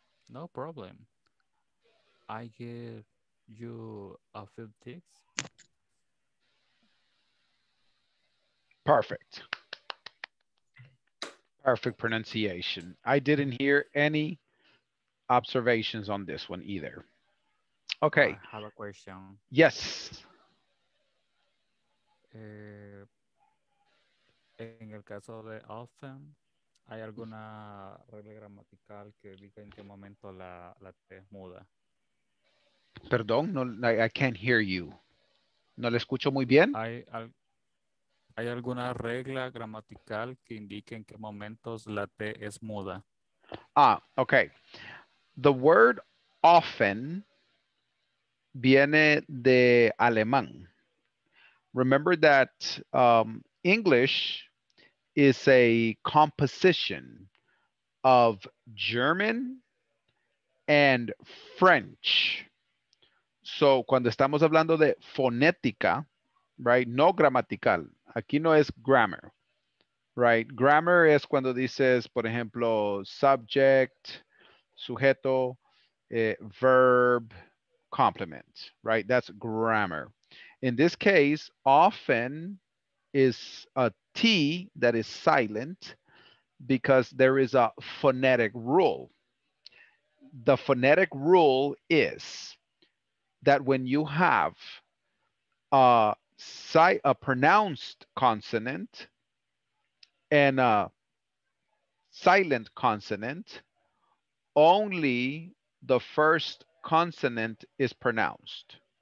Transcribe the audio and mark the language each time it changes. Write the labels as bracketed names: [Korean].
[English] No problem. I give you a few tips. Perfect. Perfect pronunciation. I didn't hear any observations on this one either. Okay. I have a question. Yes. [Spanish] En el caso de often, ¿hay alguna regla gramatical que diga en qué momento la T muda? Perdón, no, [English] I can't hear you. [Spanish] ¿No le escucho muy bien? ¿Hay alguna regla gramatical que indique en qué momentos la T es muda? [English] Ah, okay. The word often [Spanish] viene de alemán. [English] Remember that English is a composition of German and French. [Spanish] So cuando estamos hablando de fonética, right? No gramatical. Aquí no es grammar, right? Grammar es cuando dices, por ejemplo, subject, sujeto, verb, [English] complement, right? That's grammar. In this case, often is a T that is silent because there is a phonetic rule. The phonetic rule is that when you have a pronounced consonant and a silent consonant, only the first consonant is pronounced.